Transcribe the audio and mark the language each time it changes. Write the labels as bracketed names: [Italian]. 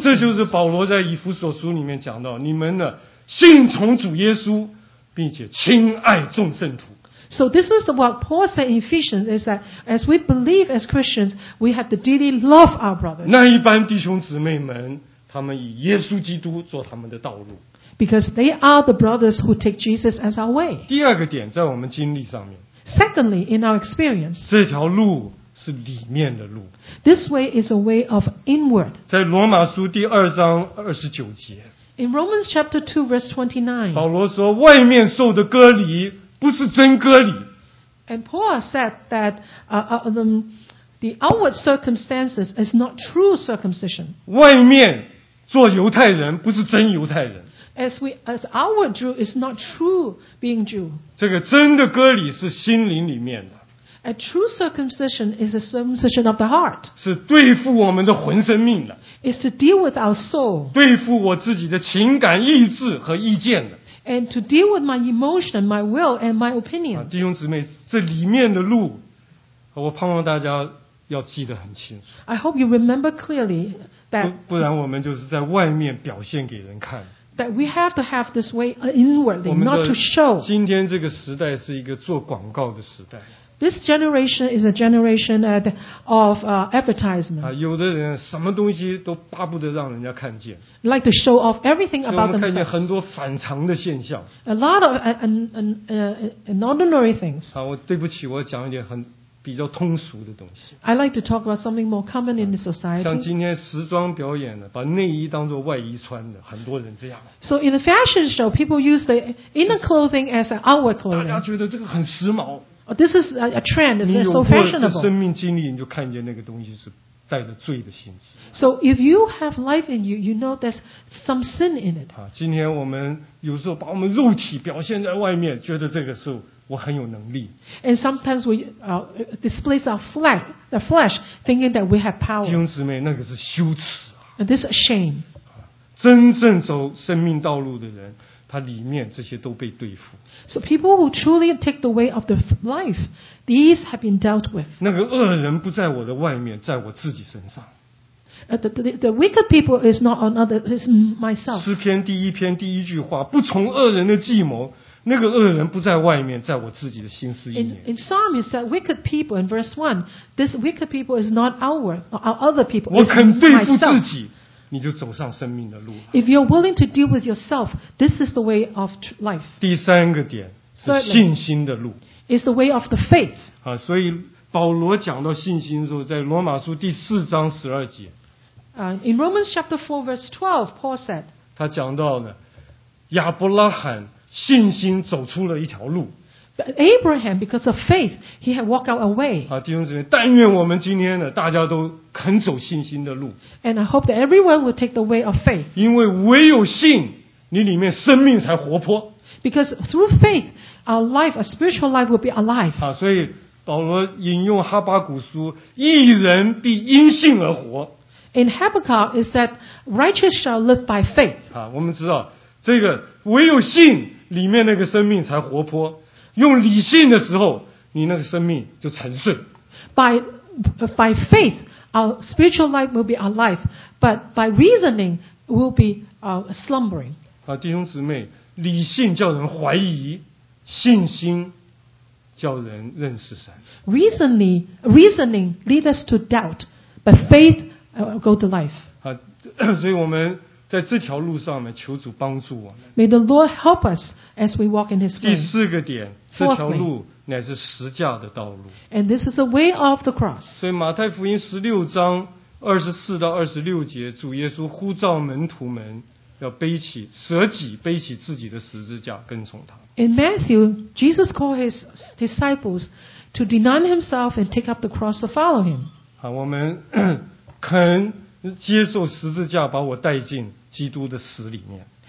[Chinese] 这就是保罗在以弗所书里面讲到，你们的信从主耶稣，并且亲爱众圣徒。 [English] So this is what Paul said in Ephesians is that as we believe as Christians, we have to dearly love our brothers. [Chinese] 那一般弟兄姊妹们，他们以耶稣基督做他们的道路。 [English] Because they are the brothers who take Jesus as our way. [Chinese] 第二个点在我们经历上面。 [English] Secondly, in our experience. [Chinese] 这条路是里面的路。 [English] This way is a way of inward. [Chinese] 在罗马书第二章二十九节。 [English] In Romans chapter 2 verse 29. [Chinese] 保罗说外面受的割礼不是真割礼。 [English] And Paul said that, the outward circumstances is not true circumcision. [Chinese] 外面做犹太人不是真犹太人。 [English] As our Jew is not true being Jew. [Chinese] 这个真的割礼是心灵里面的。 [English] A true circumcision is a circumcision of the heart. [Chinese] 是对付我们的魂生命的。 [English] Is to deal with our soul. [Chinese] 对付我自己的情感、意志和意见的。 [English] And to deal with my emotion, my will, and my opinion. [Chinese] 弟兄姊妹，这里面的路，我盼望大家要记得很清楚。 [English] I hope you remember clearly that. [Chinese] 不然我们就是在外面表现给人看。 [English] That we have to have this way inwardly, not to show. [Chinese] 今天这个时代是一个做广告的时代。 [English] This generation is a generation of advertisement. [Chinese] 啊，有的人什么东西都巴不得让人家看见。 [English] Like to show off everything about themselves. [Chinese] 看见很多反常的现象。 [English] A lot of an ordinary things. [Chinese] 啊，我对不起，我讲一点很比较通俗的东西。 [English] I like to talk about something more common in the society. [Chinese] 像今天时装表演的，把内衣当作外衣穿的，很多人这样。 [English] So in a fashion show, people use the inner clothing as an outward clothing. [Chinese] 大家觉得这个很时髦。 [English] This is a trend. It's so fashionable. [Chinese] 你有过生命经历，你就看见那个东西是带着罪的性质。 [English] So if you have life in you, you know there's some sin in it. [Chinese] 啊，今天我们有时候把我们肉体表现在外面，觉得这个是我很有能力。 [English] And sometimes we display our flesh, the flesh, thinking that we have power. [Chinese] 弟兄姊妹，那个是羞耻啊。 [English] This is shame. [Chinese] 真正走生命道路的人。它里面这些都被对付。 [English] So people who truly take the way of the life, these have been dealt with. [Chinese] 那个恶人不在我的外面，在我自己身上。 [English] The wicked people is not on others, it's myself. [Chinese] 诗篇第一篇第一句话，不从恶人的计谋，那个恶人不在外面，在我自己的心思意念。 [English] In Psalm it said, wicked people, in verse 1, this wicked people is not our, or other people. [Chinese] 我肯对付自己。你就走上生命的路了。 [English] If you're willing to deal with yourself, this is the way of life. [Chinese] 第三个点是信心的路。 [English] It's the way of the faith. [Chinese] 啊，所以保罗讲到信心的时候，在罗马书第四章十二节。 [English] In Romans chapter 4 verse 12, Paul said. [Chinese] 他讲到呢，亚伯拉罕信心走出了一条路。 [English] But Abraham, because of faith, he had walked out a way. [Chinese] 啊，弟兄姊妹，但愿我们今天呢，大家都肯走信心的路。 [English] And I hope that everyone will take the way of faith. [Chinese] 因为唯有信，你里面生命才活泼。 [English] Because through faith, our life, our spiritual life will be alive. [Chinese] 啊，所以保罗引用哈巴谷书，义人必因信而活。 [English] In Habakkuk, it said, righteous shall live by faith. [Chinese] 啊，我们知道这个唯有信，里面那个生命才活泼。用理性的时候，你那个生命就沉睡。 [English] By faith, our spiritual life will be alive, but by reasoning, will be slumbering. [Chinese] 啊，弟兄姊妹，理性叫人怀疑，信心叫人认识神。 [English] Reasoning leads us to doubt, but faith go to life. [Chinese] 啊，所以我们在这条路上面，求主帮助我们。 [English] May the Lord help us as we walk in His way. [Chinese] 第四个点。这条路乃是十架的道路。 [English] And this is the way of the cross. [Chinese] 所以马太福音十六章二十四到二十六节，主耶稣呼召门徒们要背起舍己，背起自己的十字架跟从他。 [English] In Matthew, Jesus called his disciples to deny himself and take up the cross to follow him. [Chinese] 啊，我们肯接受十字架，把我带进基督的死里面。